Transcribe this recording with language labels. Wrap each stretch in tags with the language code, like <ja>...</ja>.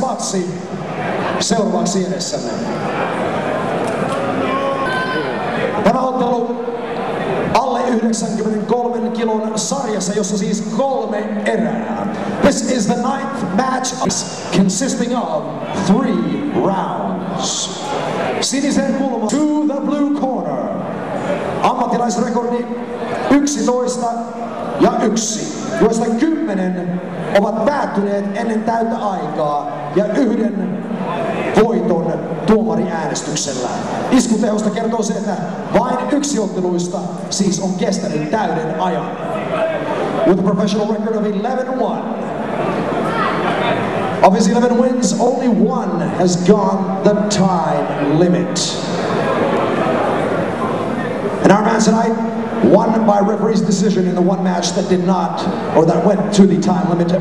<fi>matsi seuraavaksi edessämme. Tämä ottelu alle 93 kilon sarjassa, jossa siis kolme erää.</fi> <en>This is the ninth match consisting of three rounds.</en> <fi>Sinisen kulma</fi> <en>to the blue corner.</en> <fi>Ammattilaisrekordi 11 ja 1, joista 10 ovat päättyneet ennen täyttä aikaa ja yhden voiton tuomari äänestyksellä. Iskutehosta kertoo se, että vain yksi otteluista siis on kestänyt täyden ajan.</fi> <en>With a professional record of 11-1. Of his 11 wins, only one has gone the time limit. And our man tonight won by referee's decision in the one match that did not, or that went to the time limit.</en>